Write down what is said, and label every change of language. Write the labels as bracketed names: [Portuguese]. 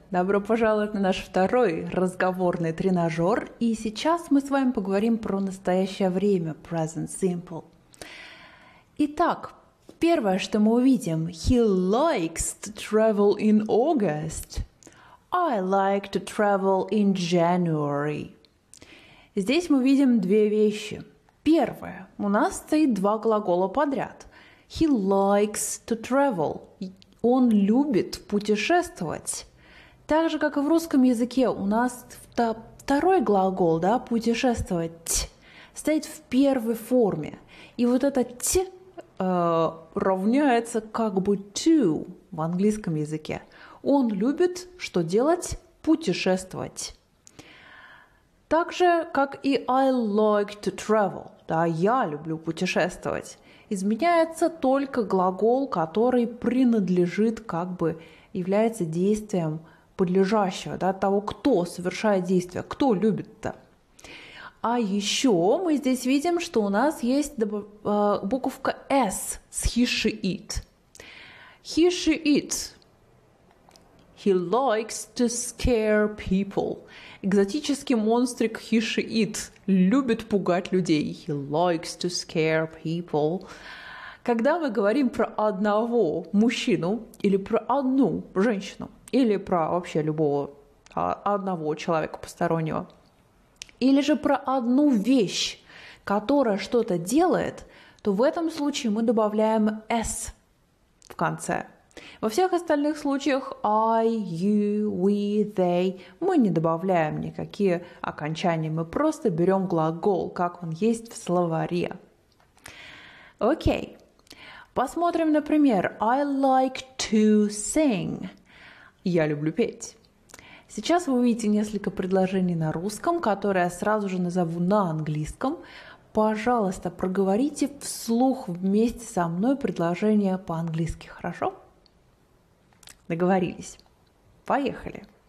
[Russian] Добро пожаловать на наш второй разговорный тренажер. И сейчас мы с вами поговорим про настоящее время, Present Simple. Итак, первое, что мы увидим, [English] he likes to travel in August. I like to travel in January. [Russian] Здесь мы видим две вещи. Первое, у нас стоит два глагола подряд. [English] He likes to travel. [Russian] Он любит путешествовать. Так же, как и в русском языке, у нас второй глагол, да, путешествовать, стоит в первой форме. И вот это «т» равняется как бы «to» в английском языке. Он любит что делать? Путешествовать. Так же, как и [English] «I like to travel», [Russian] да, «я люблю путешествовать». Изменяется только глагол, который принадлежит, как бы является действием подлежащего, да, того, кто совершает действие, кто любит-то. А еще мы здесь видим, что у нас есть буковка S с he, she, it. [English] He, she, it. He likes to scare people. [Russian] Экзотический монстрик [English] he, she, it. [Russian] Любит пугать людей. [English] He likes to scare people. [Russian] Когда мы говорим про одного мужчину или про одну женщину, или про вообще любого одного человека постороннего, или же про одну вещь, которая что-то делает, то в этом случае мы добавляем s в конце. Во всех остальных случаях I, you, we, they мы не добавляем никакие окончания, мы просто берем глагол, как он есть в словаре. Окей. Посмотрим, например, [English] I like to sing. [Russian] Я люблю петь. Сейчас вы увидите несколько предложений на русском, которые я сразу же назову на английском. Пожалуйста, проговорите вслух вместе со мной предложение по-английски, хорошо? Договорились. Поехали.